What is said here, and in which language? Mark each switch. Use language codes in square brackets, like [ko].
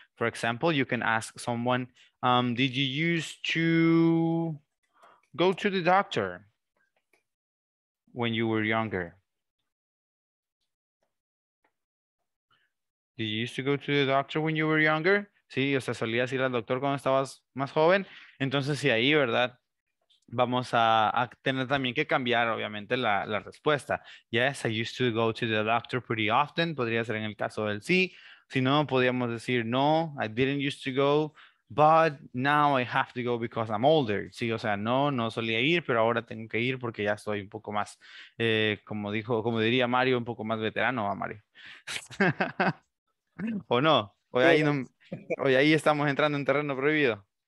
[en] For example, you can ask someone, did you used to go to the doctor when you were younger? Did you used to go to the doctor when you were younger? [es] Sí, o sea, solías ir al doctor cuando estabas más joven. Entonces, sí, ahí, ¿verdad? Vamos a tener también que cambiar, obviamente, la respuesta. [en] Yes, I used to go to the doctor pretty often. [es] Podría ser en el caso del sí. Si no, podríamos decir, [en] no, I didn't used to go, but now I have to go because I'm older. [es] Sí, o sea, no, no solía ir, pero ahora tengo que ir porque ya estoy un poco más, como diría Mario, un poco más veterano, ¿va, Mario? ¿O no? Hoy ahí estamos entrando en terreno prohibido.